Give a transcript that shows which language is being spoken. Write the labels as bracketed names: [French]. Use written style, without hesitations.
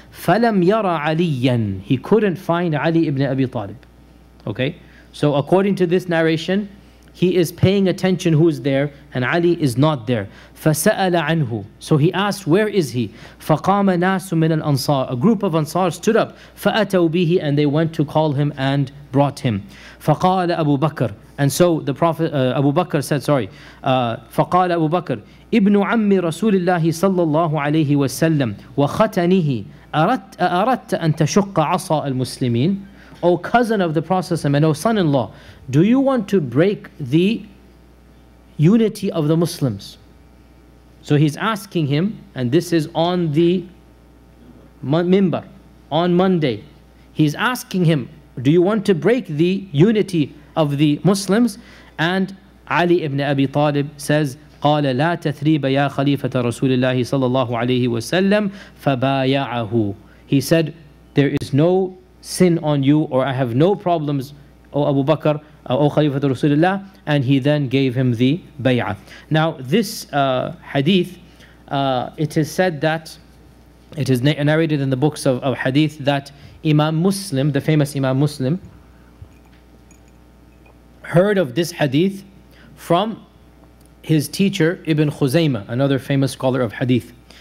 [Arabic] فَلَمْ يَرَ عَلِيًّا, [English] he couldn't find Ali ibn Abi Talib. Okay? So according to this narration, he is paying attention who's there, and Ali is not there. [Arabic] فَسَأَلَ عَنْهُ. [English] So he asked, where is he? [Arabic] فَقَامَ نَاسُ مِنَ الْأَنصَارِ. [English] A group of Ansar stood up. [Arabic] فَأَتَوْ بِهِ. [English] And they went to call him and brought him. [Arabic] فَقَالَ أَبُو بَكْر. [English] And so the Prophet Abu Bakr said, sorry, [Arabic] فَقَالَ أَبُو بَكْر إِبْنُ عَمِّ رَسُولِ اللَّهِ صَلَّى اللَّهُ عَلَيْهِ وَسَلَّمْ وَخَتَنِهِ أَرَدْتَ أَنْ تَشُقَّ عَصَى الْمُسْلِمِينَ. [English] O cousin of the Prophet and O son-in-law, do you want to break the unity of the Muslims? So he's asking him, and this is on the minbar, on Monday. He's asking him, do you want to break the unity of the Muslims? And Ali ibn Abi Talib says, [Arabic] قَالَ لَا تَثْرِيبَ يَا خَلِيفَةَ رَسُولِ اللَّهِ صَلَى اللَّهُ عَلَيْهِ وَسَلَّمَ فَبَايَعَهُ. [English] He said, there is no sin on you, or I have no problems, O Abu Bakr, O Khalifatu Rasulullah. And he then gave him the bay'ah. Now this hadith, it is said that, it is narrated in the books of hadith, that Imam Muslim, the famous Imam Muslim, heard of this hadith from his teacher Ibn Khuzaymah, another famous scholar of hadith.